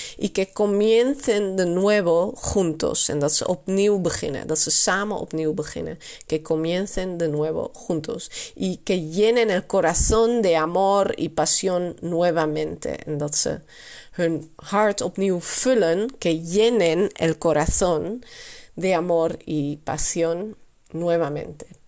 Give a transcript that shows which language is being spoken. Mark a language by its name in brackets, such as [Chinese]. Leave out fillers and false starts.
[Spanish] Y que comiencen de nuevo juntos. [Dutch] En dat ze opnieuw beginnen. Dat ze samen opnieuw beginnen. [Spanish] Que comiencen de nuevo juntos. Y que llenen el corazón de amor y pasión nuevamente. [Dutch] En dat ze hun hart opnieuw vullen, [Spanish] que llenen el corazón de amor y pasión nuevamente.